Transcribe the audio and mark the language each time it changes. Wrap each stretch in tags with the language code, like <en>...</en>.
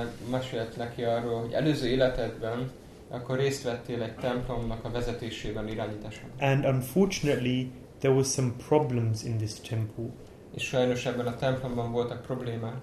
<hu>Mesélt neki arról, hogy előző életedben akkor részt vettél egy templomnak a vezetésében, irányításában.</hu> <en>And unfortunately, there were some problems in this temple.</en> <hu>És sajnos ebben a templomban voltak problémák.</hu>